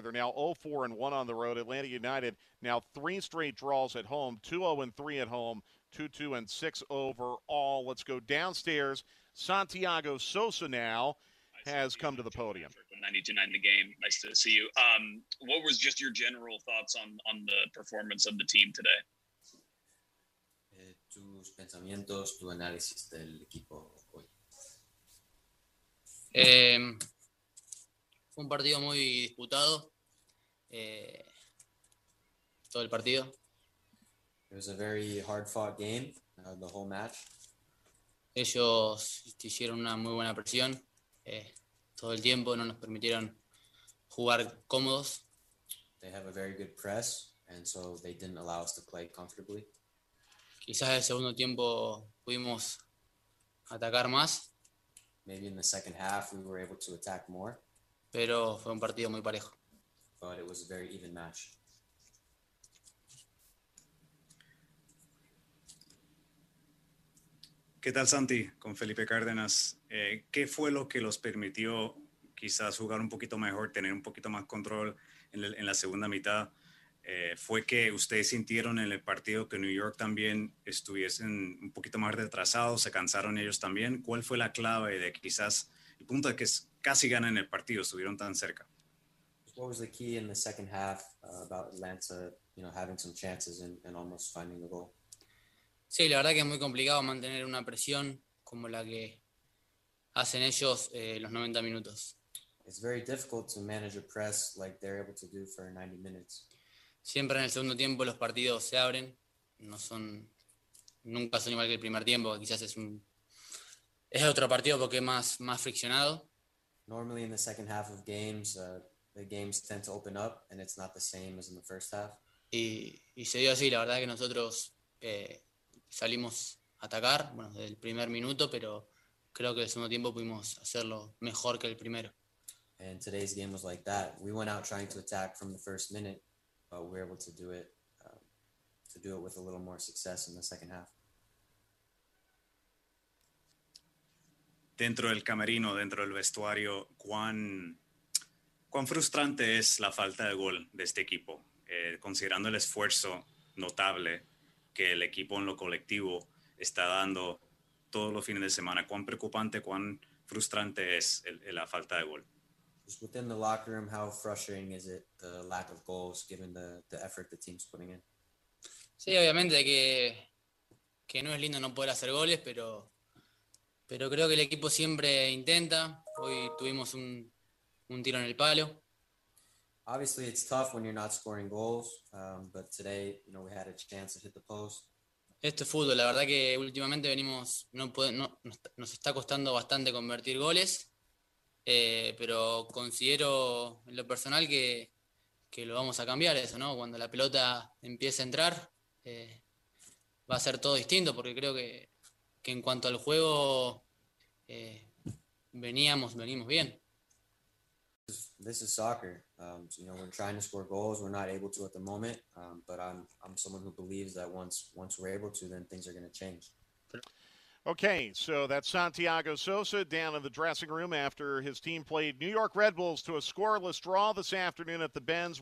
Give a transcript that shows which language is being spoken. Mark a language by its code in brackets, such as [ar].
[en] They're now 0-4-1 on the road. Atlanta United now three straight draws at home, 2-0-3 at home, 2-2-6 overall. Let's go downstairs. Santiago Sosa now has come to the podium. 92-9 the game. Nice to see you. What was just your general thoughts on the performance of the team today? [es] Tus pensamientos, tu análisis del equipo hoy. Fue un partido muy disputado. Todo el partido. [en] It was a very hard-fought game, the whole match. [es] Ellos te hicieron una muy buena presión. Todo el tiempo no nos permitieron jugar cómodos. [en] They have a very good press, and so they didn't allow us to play comfortably. [es] Quizás el segundo tiempo pudimos atacar más. [en] Maybe in the second half we were able to attack more. [es] Pero fue un partido muy parejo. [en] But it was a very even match. [es] ¿Qué tal, Santi? Con Felipe Cárdenas. ¿Qué fue lo que los permitió quizás jugar un poquito mejor, tener un poquito más control en la segunda mitad? ¿Fue que ustedes sintieron en el partido que New York también estuviesen un poquito más retrasados, se cansaron ellos también? ¿Cuál fue la clave de quizás el punto de que casi ganan el partido, estuvieron tan cerca? [en] What was the key in the second half about Atlanta, you know, having some chances and almost finding the goal? [es] Sí, la verdad que es muy complicado mantener una presión como la que hacen ellos los 90 minutos. [en] It's very difficult to manage a press like they're able to do for 90 minutes. [es] Siempre en el segundo tiempo los partidos se abren, nunca son igual que el primer tiempo, quizás es otro partido porque es más friccionado. [en] Normally in the second half of games, the games tend to open up and it's not the same as in the first half. [es] Y se dio así, la verdad que nosotros salimos a atacar, bueno, desde el primer minuto, pero creo que el segundo tiempo pudimos hacerlo mejor que el primero. [en] And today's game was like that. We went out trying to attack from the first minute, but we were able to do it with a little more success in the second half. [es] Dentro del camerino, dentro del vestuario, ¿cuán frustrante es la falta de gol de este equipo? Considerando el esfuerzo notable que el equipo en lo colectivo está dando todos los fines de semana, ¿cuán preocupante, cuán frustrante es la falta de gol? [en] Just within the locker room, how frustrating is it, the lack of goals, given the effort the team's putting in? [es] Sí, obviamente que no es lindo no poder hacer goles, pero creo que el equipo siempre intenta. Hoy tuvimos un tiro en el palo. [en] Obviously, it's tough when you're not scoring goals, but today, you know, we had a chance to hit the post. [es] Este fútbol, la verdad que últimamente venimos, nos está costando bastante convertir goles, pero considero en lo personal que lo vamos a cambiar eso, ¿no? Cuando la pelota empiece a entrar, va a ser todo distinto, porque creo que en cuanto al juego, venimos bien. [en] This is soccer. So, you know, we're trying to score goals. We're not able to at the moment, but I'm someone who believes that once we're able to, then things are going to change. Okay, so that's Santiago Sosa down in the dressing room after his team played New York Red Bulls to a scoreless draw this afternoon at the Benz.